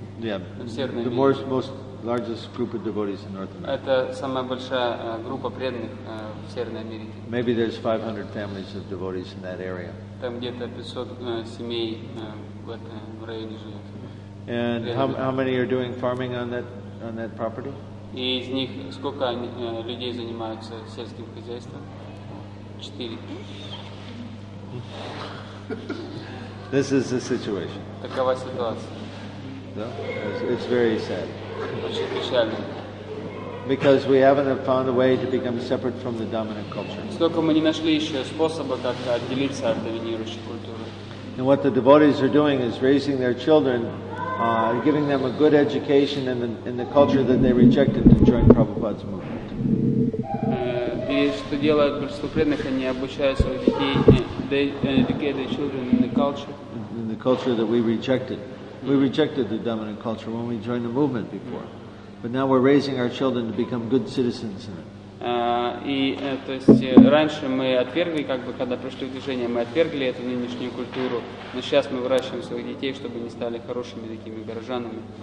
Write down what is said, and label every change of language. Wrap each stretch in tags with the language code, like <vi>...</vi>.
<en>Yeah, the most largest group of devotees in North America.</en> <ru>Это самая большая группа преданных в Северной Америке.</ru> <en>Maybe there's 500 families of devotees in that area.</en> <ru>Там где-то 500 семей в этом районе живет.</ru> <en>And how many are doing farming on that property?</en> <ru>И из них сколько людей занимаются сельским хозяйством?</ru> <en>4. This is the situation.</en> <ru>Такова ситуация.</ru> <en>No, it's very sad.</en> <ru>Очень печально.</ru> <en>Because we haven't found a way to become separate from the dominant culture.</en> <ru>Сколько мы не нашли еще способа, как отделиться от доминирующей культуры.</ru> <en>And what the devotees are doing is raising their children. Giving them a good education in the culture that they rejected to join Prabhupada's movement.</en> <ru>Что делают большинство преданных, они обучают своих детей,</ru> <en>they educate their children in the culture. In the culture that we rejected. We rejected the dominant culture when we joined the movement before. But now we're raising our children to become good citizens in it.</en> <ru>То есть раньше мы отвергли, как бы, когда пришли в движение, мы отвергли эту нынешнюю культуру, но сейчас мы выращиваем своих детей, чтобы они стали хорошими такими горожанами.</ru>